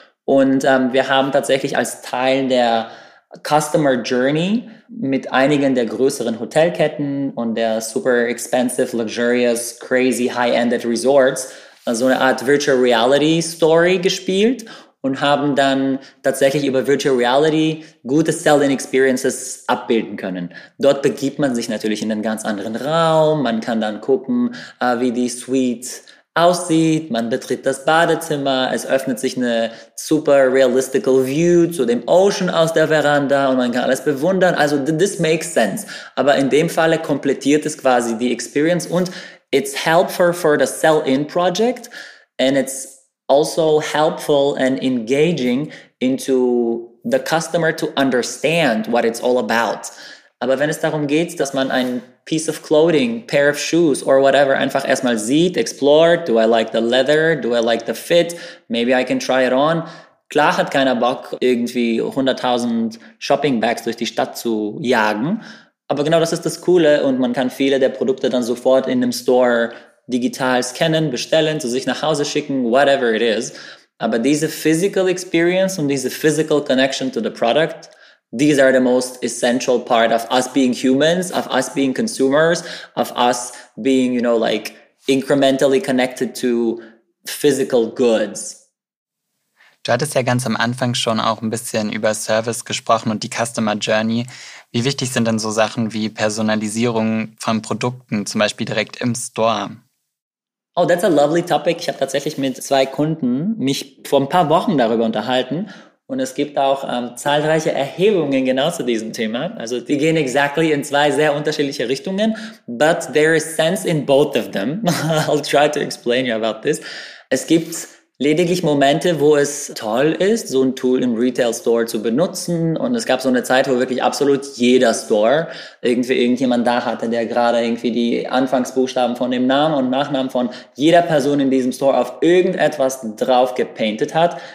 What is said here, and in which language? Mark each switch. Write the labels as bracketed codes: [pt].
[de] Und wir haben tatsächlich als Teil der Customer Journey mit einigen der größeren Hotelketten und der [en] super expensive, luxurious, crazy, high-ended Resorts [de] so eine Art Virtual Reality Story gespielt und haben dann tatsächlich über Virtual Reality gute Selling Experiences abbilden können. Dort begibt man sich natürlich in einen ganz anderen Raum. Man kann dann gucken, wie die Suite aussieht. Man betritt das Badezimmer. Es öffnet sich eine [en] super realistical View [de] zu dem Ocean aus der Veranda und man kann alles bewundern. [en] Also this makes sense. [de] Aber in dem Falle komplettiert es quasi die Experience und [en] it's helpful for the sell-in project and it's also helpful and engaging into the customer to understand what it's all about. [de] Aber wenn es darum geht, dass man ein [en] piece of clothing, pair of shoes or whatever [de] einfach erstmal sieht, [en] explore, do I like the leather, do I like the fit, maybe I can try it on. [de] Klar hat keiner Bock, irgendwie 100.000 [en] shopping bags [de] durch die Stadt zu jagen. Aber genau das ist das Coole und man kann viele der Produkte dann sofort in einem Store digital scannen, bestellen, zu sich nach Hause schicken, [en] whatever it is. [de] Aber diese [en] physical experience [de] und diese [en] physical connection to the product, these are the most essential part of us being humans, of us being consumers, of us being, you know, like incrementally connected to physical goods. [de] Du hattest ja ganz am Anfang schon auch ein bisschen über Service gesprochen und die Customer Journey. Wie wichtig sind denn so Sachen wie Personalisierung von Produkten, zum Beispiel direkt im Store? [en] Oh, that's a lovely topic. [de] Ich habe tatsächlich mit zwei Kunden mich vor ein paar Wochen darüber unterhalten. Und es gibt auch zahlreiche Erhebungen genau zu diesem Thema. Also die gehen exactly in zwei sehr unterschiedliche Richtungen. [en] But there is sense in both of them. I'll try to explain you about this. [de] Es gibt lediglich Momente, wo es toll ist, so ein Tool im Retail-Store zu benutzen. Und es gab so eine Zeit, wo wirklich absolut jeder Store irgendwie irgendjemand da hatte, der gerade irgendwie die Anfangsbuchstaben von dem Namen und Nachnamen von jeder Person in diesem Store auf irgendetwas drauf gepaintet hat.